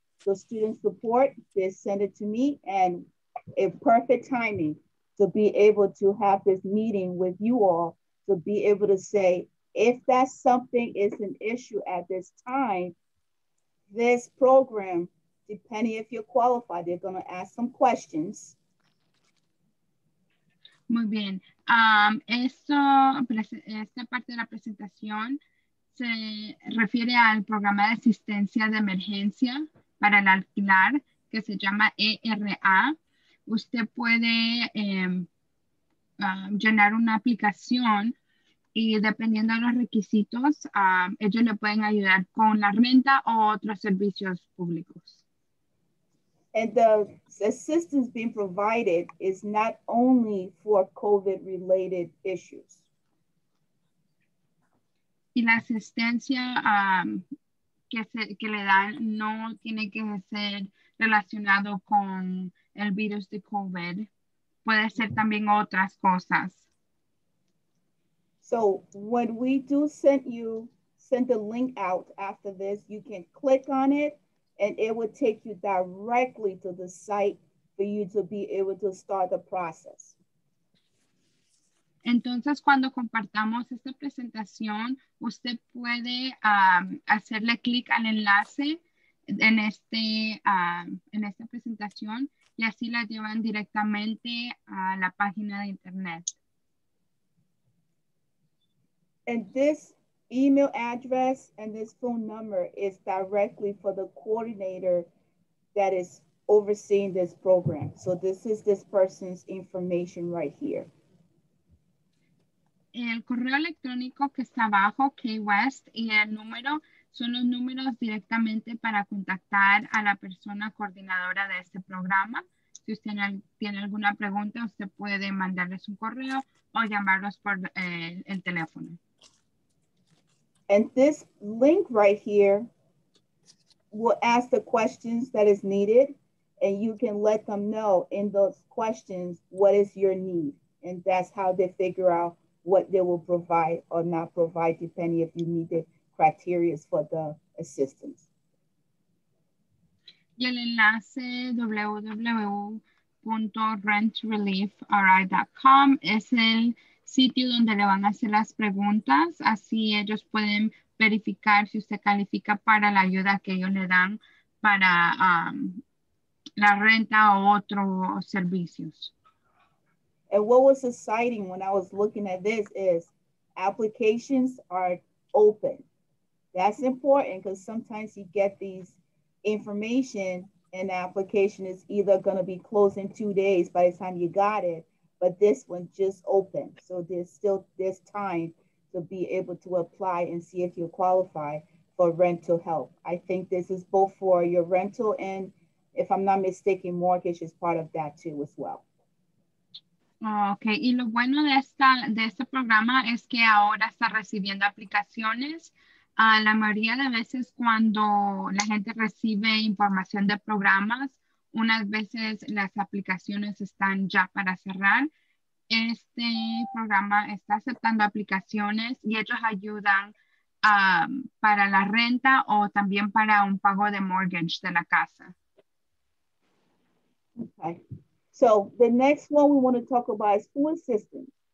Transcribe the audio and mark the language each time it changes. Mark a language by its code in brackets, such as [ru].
[en] The student support, they sent it to me and a perfect timing to be able to have this meeting with you all to be able to say, if that's something is an issue at this time, this program, depending if you're qualified, they're gonna ask some questions. [es] Muy bien, esta parte de la presentación se refiere al programa de asistencia de emergencia para el alquilar que se llama ERA. Usted puede llenar una aplicación y dependiendo de los requisitos, ellos le pueden ayudar con la renta o otros servicios públicos. [en] And the assistance being provided is not only for COVID-related issues. [es] Y la asistencia que le dan no tiene que ser relacionado con el virus de COVID, puede ser también otras cosas. [en] So when we do send the link out after this, you can click on it and it will take you directly to the site for you to be able to start the process. [es] Entonces, cuando compartamos esta presentación, usted puede hacerle clic al enlace en esta presentación y así la llevan directamente a la página de internet. [en] And this email address and this phone number is directly for the coordinator that is overseeing this program. So this is this person's information right here. [es] El correo electrónico que está abajo, Key West, y el número son los números directamente para contactar a la persona coordinadora de este programa. Si usted tiene alguna pregunta, usted puede mandarles un correo o llamarlos por el teléfono. [en] And this link right here will ask the questions that is needed, and you can let them know in those questions what is your need, and that's how they figure out what they will provide or not provide, depending if you meet the criteria for the assistance. [es] Y el enlace www.rentreliefri.com es el sitio donde le van a hacer las preguntas. Así ellos pueden verificar si usted califica para la ayuda que ellos le dan para la renta o otros servicios. [en] And what was exciting when I was looking at this is applications are open. That's important because sometimes you get these information and the application is either going to be closed in 2 days by the time you got it, but this one just opened. So there's still this time to be able to apply and see if you qualify for rental help. I think this is both for your rental and, if I'm not mistaken, mortgage is part of that too as well. [es] Ok, y lo bueno de este programa es que ahora está recibiendo aplicaciones. La mayoría de veces cuando la gente recibe información de programas, unas veces las aplicaciones están ya para cerrar. Este programa está aceptando aplicaciones y ellos ayudan para la renta o también para un pago de mortgage de la casa. [en] Okay. So the next one we want to talk about is food assistance.